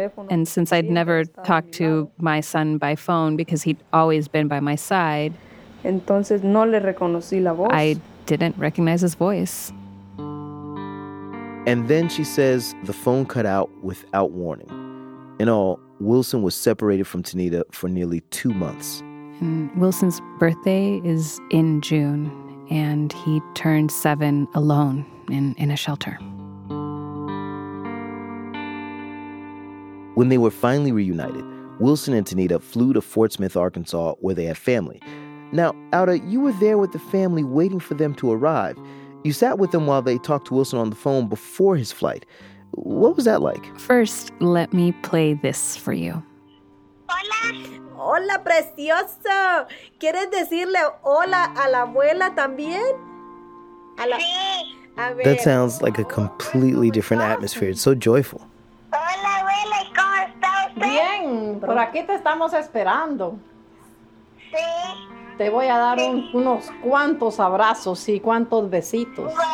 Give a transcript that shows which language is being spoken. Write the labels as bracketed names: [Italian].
[English] And since I'd never talked to my son by phone because he'd always been by my side, [Spanish] entonces no le reconocí la voz. [English] I didn't recognize his voice. And then she says the phone cut out without warning. In all, Wilson was separated from Tanita for nearly 2 months. And Wilson's birthday is in June, and he turned 7 alone in a shelter. When they were finally reunited, Wilson and Tanita flew to Fort Smith, Arkansas, where they had family. Now, Auda, you were there with the family waiting for them to arrive. You sat with them while they talked to Wilson on the phone before his flight. What was that like? First, let me play this for you. [Spanish] Hola. Hola, precioso. ¿Quieres decirle hola a la abuela también? Hola. Sí. [English] That sounds like a completely different atmosphere. It's so joyful. [Spanish] Hola, abuela. ¿Cómo está usted? Bien. Por aquí te estamos esperando. Sí. Te voy a dar unos cuantos abrazos y cuantos besitos.